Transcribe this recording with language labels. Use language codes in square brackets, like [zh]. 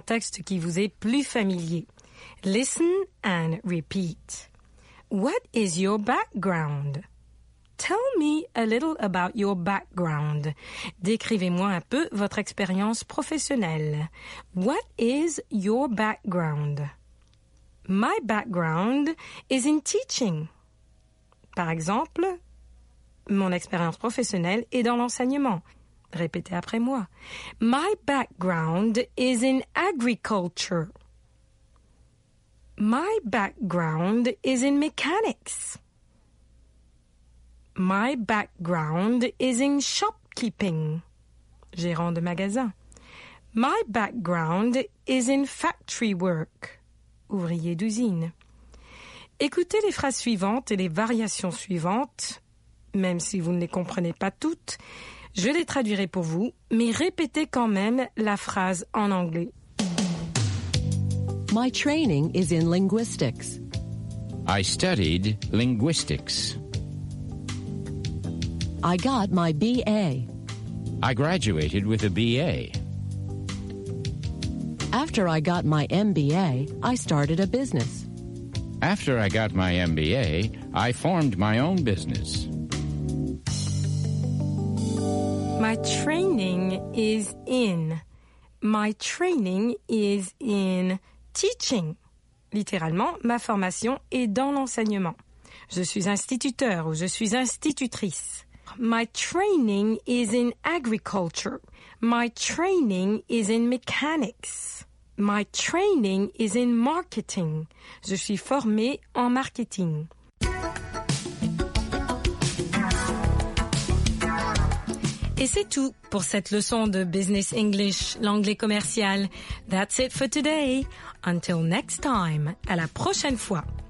[fr] contexte qui vous est plus familier. [en] Listen and repeat. What is your background? Tell me a little about your background. [fr] Décrivez-moi un peu votre expérience professionnelle. [en] What is your background? My background is in teaching. [fr] Par exemple, mon expérience professionnelle est dans l'enseignement. Répétez après moi. [en] My background is in agriculture. My background is in mechanics. My background is in shopkeeping. [fr] Gérant de magasin. [en] My background is in factory work. [fr] Ouvrier d'usine. Écoutez les phrases suivantes et les variations suivantes. Même si vous ne les comprenez pas toutes, je les traduirai pour vous, mais répétez quand même la phrase en anglais. [en] My training is in linguistics. I studied linguistics. I got my BA. I graduated with a BA. After I got my MBA, I started a business. After I got my MBA, I formed my own business. My training is in. My training is in teaching. [fr] Littéralement, ma formation est dans l'enseignement. Je suis instituteur ou je suis institutrice. [en] My training is in agriculture. My training is in mechanics. My training is in marketing. [fr] Je suis formée en marketing. Et c'est tout pour cette leçon de [en] Business English, [fr] l'anglais commercial. [en] That's it for today. Until next time, [fr] à la prochaine fois.